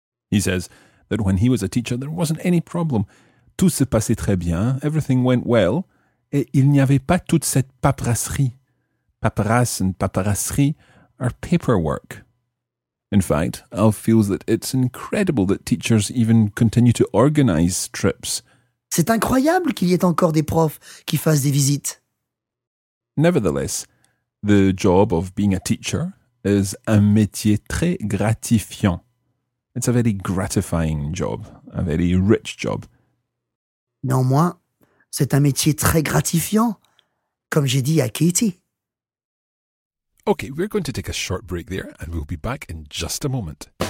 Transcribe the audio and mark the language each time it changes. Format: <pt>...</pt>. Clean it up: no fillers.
<en>He says that when he was a teacher, there wasn't any problem.</en> <fr>Tout se passait très bien,</fr> <en>everything went well,</en> <fr>et il n'y avait pas toute cette paperasserie.</fr> <en>Paperasse and paperasserie are paperwork. In fact, Alf feels that it's incredible that teachers even continue to organize trips.</en> <fr>C'est incroyable qu'il y ait encore des profs qui fassent des visites.</fr> <en>Nevertheless, the job of being a teacher is</en> <fr>un métier très gratifiant.</fr> <en>It's a very gratifying job, a very rich job.</en> <fr>Néanmoins, c'est un métier très gratifiant, comme j'ai dit à Katie.</fr> <en>Okay, we're going to take a short break there and we'll be back in just a moment.</en>